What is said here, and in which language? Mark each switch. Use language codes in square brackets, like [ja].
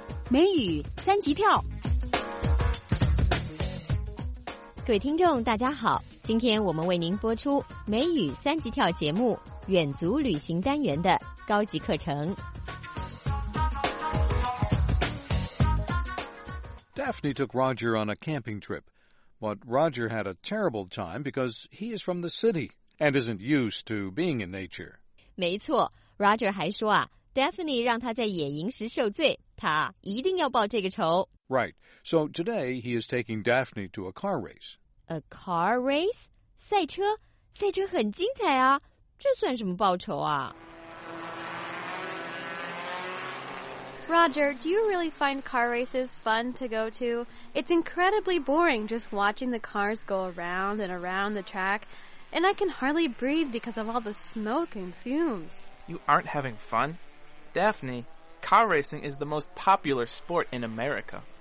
[zh] 美语三级跳。各位听众大家好，今天我们为您播出美语三级跳节目远足旅行单元的高级课程。 [en] Daphne took Roger on a camping trip, but Roger had a terrible time because he is from the city and isn't used to being in nature. [zh] 没错， Roger 还说啊， Daphne 让他在野营时受罪，他一定要报这个仇。 [en] Right, so today he is taking Daphne to a car race. A car race? 赛车？ [zh] 赛车很精彩啊，这算什么报仇啊？ [en] Roger, do you really find car races fun to go to? It's incredibly boring just watching the cars go around and around the track, and I can hardly breathe because of all the smoke and fumes. You aren't having fun? Daphne, car racing is the most popular sport in America.